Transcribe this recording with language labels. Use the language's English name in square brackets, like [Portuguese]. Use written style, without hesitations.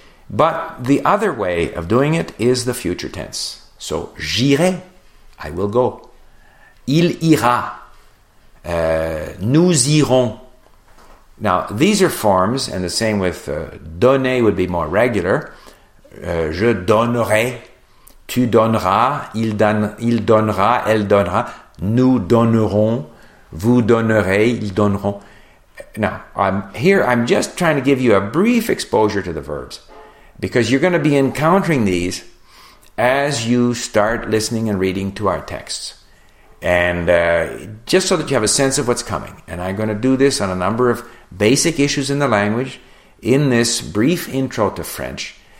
[English] But the other way of doing it is the future tense. So, [French] j'irai. [English] I will go. [French] Il ira. Nous irons. [English] Now, these are forms, and the same with donner would be more regular. [French] Je donnerai, tu donneras, il donnera, elle donnera, nous donnerons, vous donnerez, ils donneront. [English] Now, I'm just trying to give you a brief exposure to the verbs, because you're going to be encountering these as you start listening and reading to our texts. And just so that you have a sense of what's coming. And I'm going to do this on a number of basic issues in the language in this brief intro to French.